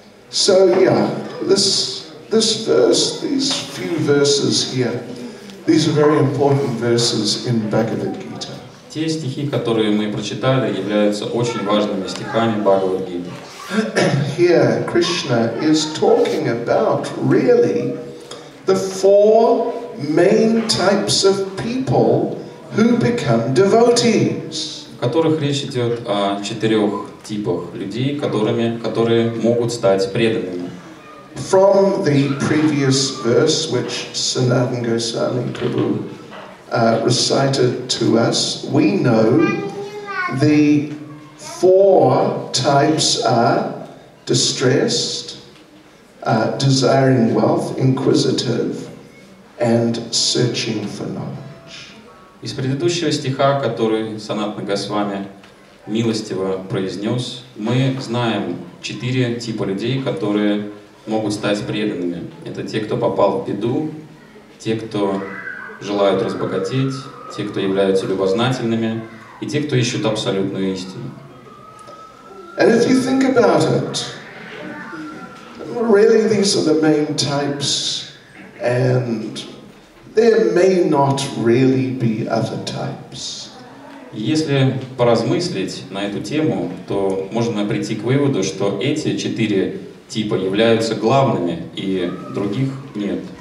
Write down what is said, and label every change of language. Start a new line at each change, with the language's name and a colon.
English: So yeah, this verse, these few verses here, these are very important verses in Bhagavad Gita.
Russian: Те стихи, которые мы прочитали, являются очень важными стихами Бхагавад Гиты.
English: Here Krishna is talking about really the four main types of people who become devotees.
Russian: В которых речь идет о четырех типах людей, которые могут стать преданными.
English: From the previous verse, which Sanatan Goswami Prabhu recited to us, we know the four types are distressed, desiring wealth, inquisitive, and searching for knowledge.
Russian: Из предыдущего стиха, который Санатана Госвами милостиво произнес, мы знаем четыре типа людей, которые могут стать преданными. Это те, кто попал в беду, те, кто желают разбогатеть, те, кто являются любознательными, и те, кто ищут абсолютную истину.
English: And if you think about it, really these are the main types, and there may not really be other types.
Russian: Если поразмыслить на эту тему, то можно прийти к выводу, что эти четыре типа являются главными, и других нет.